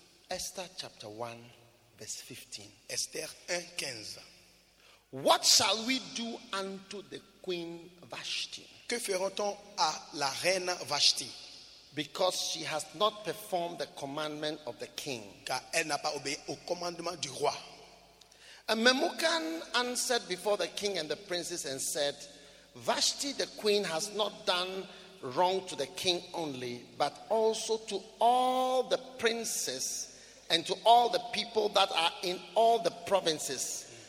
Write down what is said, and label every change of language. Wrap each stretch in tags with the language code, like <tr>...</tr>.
<en>Esther chapter 1, verse 15. Esther 1, 15. What shall we do unto the queen Vashti?</en> <fr>Que ferons-nous à la reine Vashti?</fr> <en>Because she has not performed the commandment of the king.</en> <fr>Car elle n'a pas obéi au commandement du roi.</fr> <en>And Memucan answered before the king and the princes and said, Vashti the queen has not done wrong to the king only, but also to all the princes and to all the people that are in all the provinces.</en>